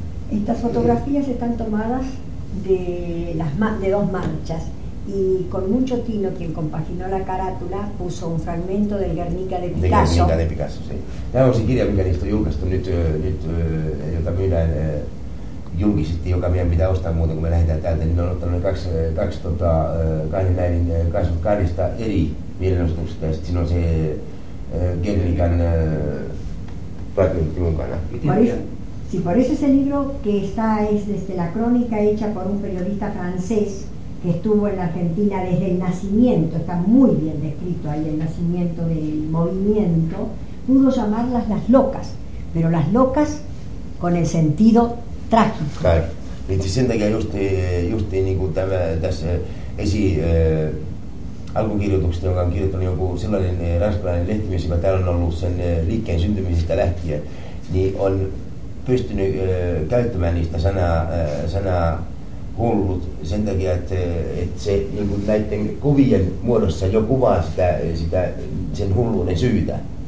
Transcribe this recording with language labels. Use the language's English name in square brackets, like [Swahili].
[Spanish] Estas fotografías están tomadas de dos marchas y con mucho tino quien compaginó la carátula puso un fragmento del Guernica de Picasso. Guernica de Picasso, sí. [Finnish] Tämä on se kirja, mikä niistä on julkaistu nyt, jota myydään julkisesti, joka meidän pitää ostaa muuten, kun me lähdetään täältä. Niin on ottanut ne kahden näiden 22 eri mielenosoituksista ja sitten siinä on se Guernican fragmentti mukana. [Spanish] Si por eso es el libro que está es desde la crónica hecha por un periodista francés que estuvo en la Argentina desde el nacimiento, está muy bien descrito ahí el nacimiento del movimiento, pudo llamarlas las locas, pero las locas con el sentido trágico. Claro, entonces [Finnish] sen takia just niin kuin tämä tässä esi alkukirjoituksesta, jonka on kirjoittanut joku sellainen ranskalainen lehtimies, joka täällä on ollut sen liikkeen syntymisestä lähtien, niin on pystynyt käyttämään niistä sanaa hullut sen takia, että se niin kuin näiden kuvien muodossa jo kuvaa sitä sen hulluuden syytä.